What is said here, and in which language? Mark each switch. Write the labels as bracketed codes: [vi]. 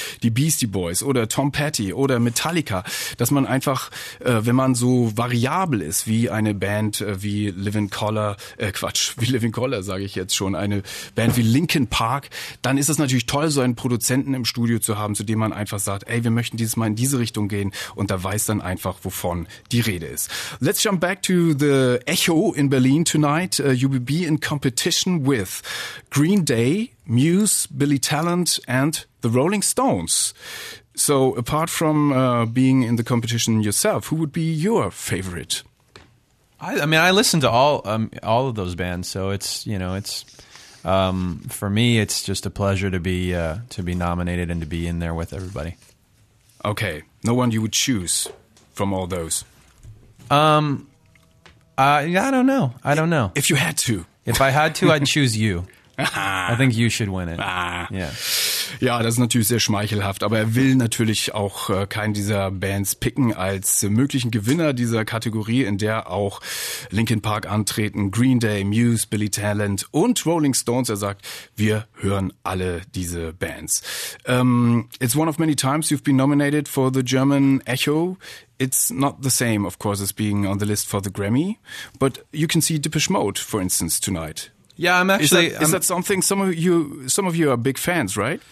[de] die Beastie Boys oder Tom Petty oder Metallica, dass man einfach, wenn man so variabel ist, wie eine Band wie eine Band wie Linkin Park, dann ist es natürlich toll, so einen Produzenten im Studio zu haben, zu dem man einfach sagt, ey, wir möchten dieses Mal in diese Richtung gehen, und da weiß dann einfach, wovon die Rede ist. [en] Let's jump back to the Echo in Berlin tonight. You will be in competition with Green Day, Muse, Billy Talent, and the Rolling Stones. So apart from being in the competition yourself, who would be your favorite? I listen to all of those bands, so it's, you know, it's for me, it's just a pleasure to be nominated and to be in there with everybody. Okay, no one you would choose from all those? I don't know. If you had to. If I had to, I'd choose you. I think you should win it. Yeah. [de] Ja, das ist natürlich sehr schmeichelhaft, aber er will natürlich auch keinen dieser Bands picken als möglichen Gewinner dieser Kategorie, in der auch Linkin Park antreten, Green Day, Muse, Billy Talent und Rolling Stones. Er sagt, wir hören alle diese Bands. [en] It's one of many times you've been nominated for the German Echo. It's not the same, of course, as being on the list for the Grammy, but you can see Depeche Mode, for instance, tonight. Yeah, I'm actually... Is that something some of you are big fans, right?